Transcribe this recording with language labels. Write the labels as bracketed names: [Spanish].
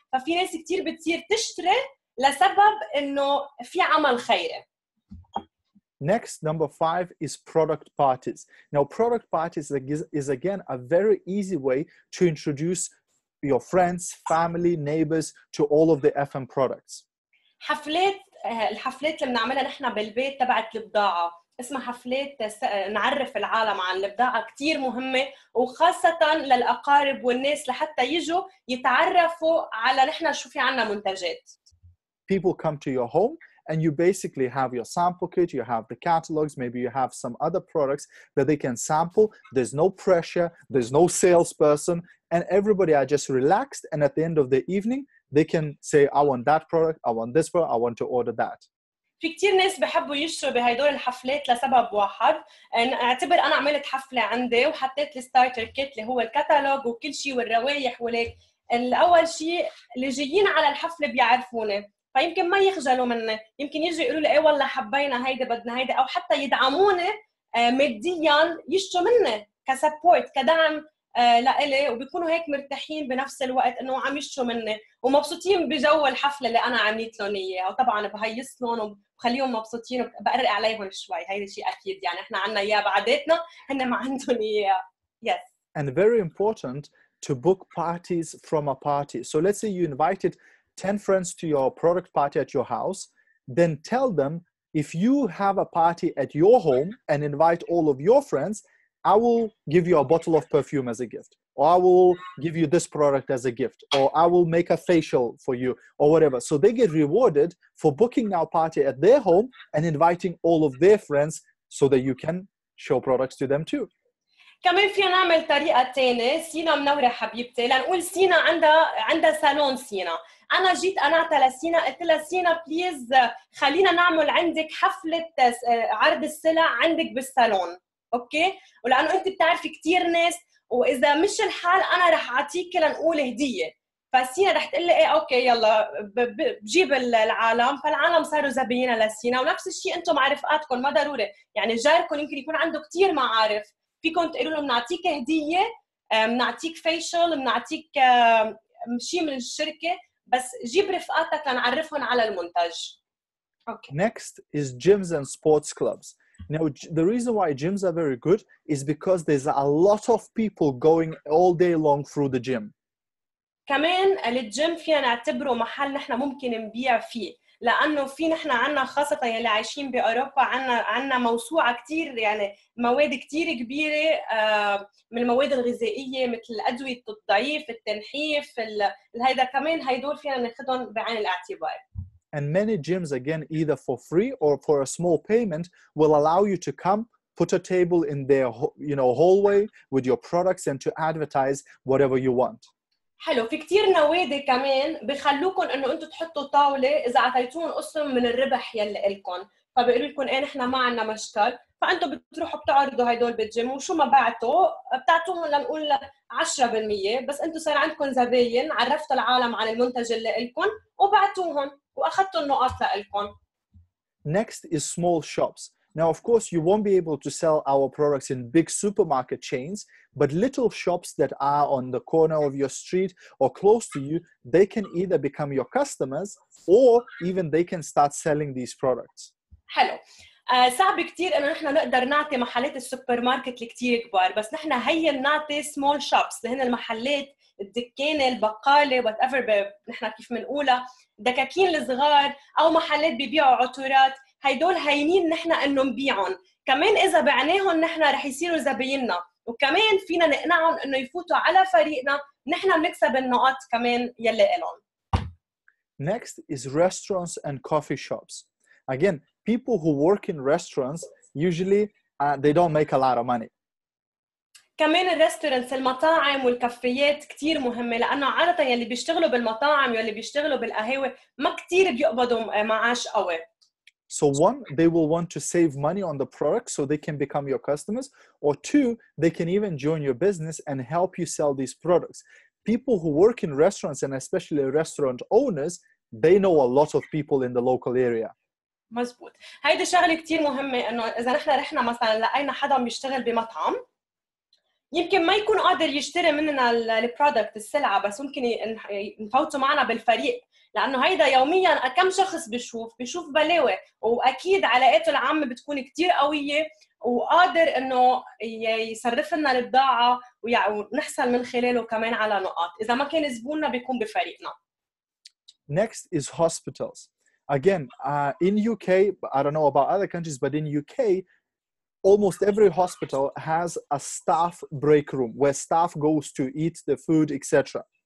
[Arabic] ففي ناس كتير بتصير تشتري لسبب انه في عمل خيري. [English] Next, number five is product parties. Now, product parties is again a very easy way to introduce your friends, family, neighbors to all of the FM products. [Arabic] حفلات الحفلات اللي بنعملها نحن بالبيت تبعت البضاعة اسمها حفلات نعرف العالم عن البضاعة كتير مهمة وخاصة للأقارب والناس لحتى يجوا يتعرفوا على نحن شو في عنا منتجات. [English] People come to your home. And you basically have your sample kit, you have the catalogs, maybe you have some other products that they can sample. There's no pressure, there's no salesperson, and everybody are just relaxed. And at the end of the evening, they can say, I want that product, I want this product, I want to order that. [Arabic] في كتير ناس بحبوا يشتروا بهيدول الحفلات لسبب واحد. اعتبر انا عملت حفلة عندي وحطيت الستارتر كيت اللي هو الكتالوج وكل شيء والروايح وليك. الاول شيء اللي جايين على الحفلة بيعرفوني. فيمكن ما يخجلوا مني، يمكن يجوا يقولوا لي ايه والله حبينا هيدا بدنا هيدا، او حتى يدعموني ماديا يشتروا مني كسبورت كدعم لإلي، وبيكونوا هيك مرتاحين بنفس الوقت انه عم يشتروا مني ومبسوطين بجو الحفله اللي انا عملت لهم اياها. وطبعا بهيص لهم وبخليهم مبسوطين وبقرق عليهم شوي، هيدا شيء اكيد يعني احنا عندنا اياه بعاداتنا هن ما عندهم اياه. [English] Yes. And very important to book parties from a party. So let's say you invited 10 friends to your product party at your house, then tell them, if you have a party at your home and invite all of your friends, I will give you a bottle of perfume as a gift. or I will give you this product as a gift, or I will make a facial for you, or whatever. So they get rewarded for booking now party at their home and inviting all of their friends so that you can show products to them too. [Arabic] كمان فينا نعمل طريقة تانية. سينا منورة حبيبتي. لنقول سينا عندها سالون سينا. أنا جيت قنعتها لسينا. قلت لها سينا بليز خلينا نعمل عندك حفلة عرض السلع عندك بالسالون. أوكي؟ ولأنه أنت بتعرف كتير ناس وإذا مش الحال أنا رح أعطيك لنقول هدية. فسينا رح تقول لي إيه أوكي يلا بجيب العالم. فالعالم صاروا زبينة لسينا. ونفس الشيء أنتم مع رفقاتكم ما ضروري. يعني جاركم يمكن يكون عنده كتير معارف. فيكم تقولوا له بنعطيك هدية، بنعطيك فيشل، بنعطيك شيء من الشركة، بس جيب رفقاتك لنعرفهم على المنتج. [English] Okay. Next is gyms and sports clubs. Now, the reason why gyms are very good is because there's a lot of people going all day long through the gym. [Arabic] كمان الجيم فينا نعتبره محل نحن ممكن نبيع فيه. لأنه في نحن عنا خاصة يلي عايشين بأوروبا عنا موسوعة كتير يعني مواد كتير كبيرة من المواد الغذائية مثل الأدوية الضعيف التنحيف هيدا كمان هيدول فينا ناخدهم بعين الاعتبار. [English] And many gyms again either for free or for a small payment will allow you to come put a table in their you know hallway with your products and to advertise whatever you want. [Arabic] حلو في كتير نوادي كمان بيخلوكم انه انتم تحطوا طاوله اذا اعطيتون قسم من الربح يلي لكم فبيقولوا لكم ايه نحن ما عندنا مشكل فانتم بتروحوا بتعرضوا هدول بالجيم وشو ما بعتوا بتعطوهم لنقول 10% بس انتم صار عندكم زباين عرفتوا العالم عن المنتج اللي لكم وبعتوهم واخذتوا النقاط لكم. [English] Next is small shops. Now, of course, you won't be able to sell our products in big supermarket chains, but little shops that are on the corner of your street or close to you, they can either become your customers or even they can start selling these products. Hello. [Arabic] صعب كتير إنه نحنا نقدر نعطي محلات السوبر ماركت الكتير كبار بس نحنا هي نعطي [English] small shops [Arabic] لهن المحلات الدكانة البقالة [English] whatever [Arabic] نحنا كيف منقولها دكاكين الصغار أو محلات بيبيعوا عطورات هيدول هينين نحنا إنه نبيعهم كمان إذا بعناهم نحنا رح يصيروا زبيننا وكمان فينا نقنعهم إنه يفوتوا على فريقنا نحنا بنكسب النقاط كمان يلي إلهم. [English] Next is restaurants and coffee shops. Again, people who work in restaurants usually they don't make a lot of money. [Arabic] كمان الريستورانتس المطاعم والكافيات كتير مهمة لأنه عادة يلي بيشتغلوا بالمطاعم يلي بيشتغلوا بالقهاوي ما كتير بيقبضوا معاش قوي. [English] So one, they will want to save money on the product so they can become your customers. Or two, they can even join your business and help you sell these products. People who work in restaurants and especially restaurant owners, they know a lot of people in the local area. [Arabic] مزبوط. هيدا شغلة كتير مهمة انه اذا نحن رحنا مثلا لقينا حدا بيشتغل بمطعم يمكن ما يكون قادر يشتري مننا البرودكت السلعة بس ممكن نفوته معنا بالفريق لانه هيدا يوميا كم شخص بيشوف بلاوي واكيد علاقاته العامه بتكون كتير قويه وقادر انه يصرف لنا البضاعه ونحصل من خلاله كمان على نقاط اذا ما كان زبوننا بيكون بفريقنا. [English] Next is hospitals. Again, in UK, I don't know about other countries, but in UK, almost every hospital has a staff break room where staff goes to eat the food, etc.